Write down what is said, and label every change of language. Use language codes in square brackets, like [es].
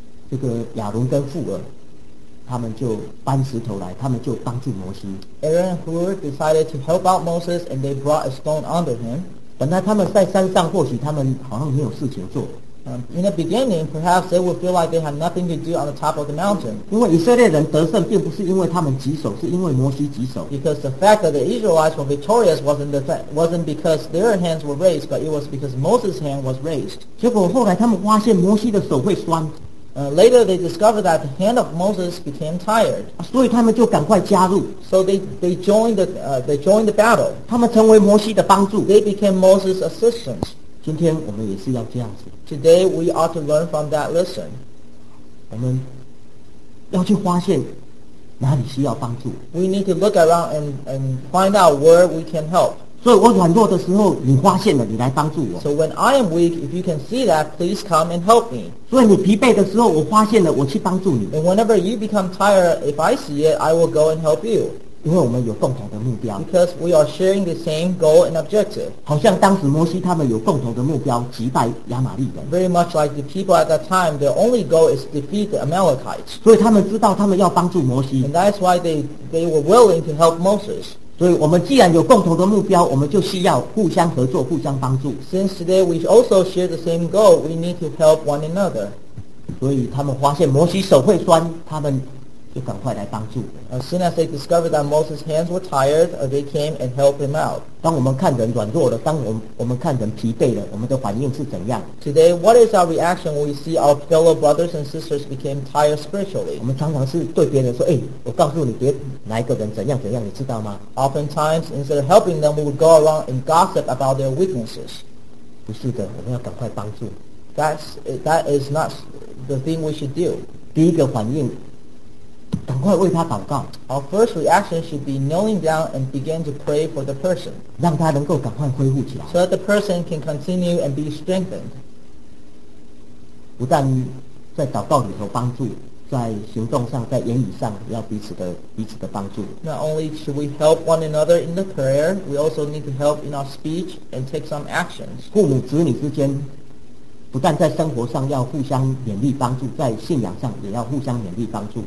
[zh] 这个亚伦跟户珥，他们就搬石头来，他们就帮助摩西。 [en] Aaron and Hur decided to help out Moses, and they brought a stone under him. [zh] 本来他们在山上，或许他们好像没有事情做。 [en] In the beginning, perhaps they would feel like they have nothing to do on the top of the mountain. [zh] 因为以色列人得胜，并不是因为他们棘手，是因为摩西棘手。 [en] Because the fact that the Israelites were victorious wasn't because their hands were raised, but it was because Moses' hand was raised. [zh] 结果后来他们发现摩西的手会酸。 [en] Later, they discovered that the hand of Moses became tired. [zh] 所以他们就赶快加入。 [en] So they joined the battle. [zh] 他们成为摩西的帮助。 [en] They became Moses' assistants. [zh] 今天我们也是要这样子。 [en] Today we ought to learn from that lesson. [zh] 我们要去发现哪里需要帮助。 [en] We need to look around and find out where we can help. [zh] 所以我软弱的时候，你发现了，你来帮助我。 [en] So when I am weak, if you can see that, please come and help me. [zh] 所以你疲惫的时候，我发现了，我去帮助你。 [en] And whenever you become tired, if I see it, I will go and help you. [zh] 因为我们有共同的目标。 [en] Because we are sharing the same goal and objective. [zh] 好像当时摩西他们有共同的目标，击败亚玛力人。 [en] Very much like the people at that time, their only goal is defeat the Amalekites. [zh] 所以他们知道他们要帮助摩西。 [en] And that's why they were willing to help Moses. [zh] 所以我们既然有共同的目标，我们就需要互相合作，互相帮助。 [en] Since today we also share the same goal, we need to help one another. [zh] 所以他们发现摩西手会酸，他们。就赶快来帮助。 [en] As soon as they discovered that Moses' hands were tired, they came and helped him out. [zh] 当我们看人软弱了，当我们看人疲惫了，我们的反应是怎样 [en] ？Today, what is our reaction when we see our fellow brothers and sisters became tired spiritually? [zh] 我们常常是对别人说：“哎，我告诉你，别哪一个人怎样怎样，你知道吗 [en] ？”Oftentimes, instead of helping them, we would go around and gossip about their weaknesses. [zh] 不是的，我们要赶快帮助。 [en] That is not the thing we should do. [zh] 第一个反应。赶快为他祷告。 [en] Our first reaction should be kneeling down and begin to pray for the person. [zh] 让他能够赶快恢复起来。 [en] So that the person can continue and be strengthened. [zh] 不但在祷告里头帮助，在行动上，在言语上，要彼此的帮助。 [en] Not only should we help one another in the prayer, we also need to help in our speech and take some actions. [zh] 父母子女之间。不但在生活上要互相勉励帮助，在信仰上也要互相勉励帮助。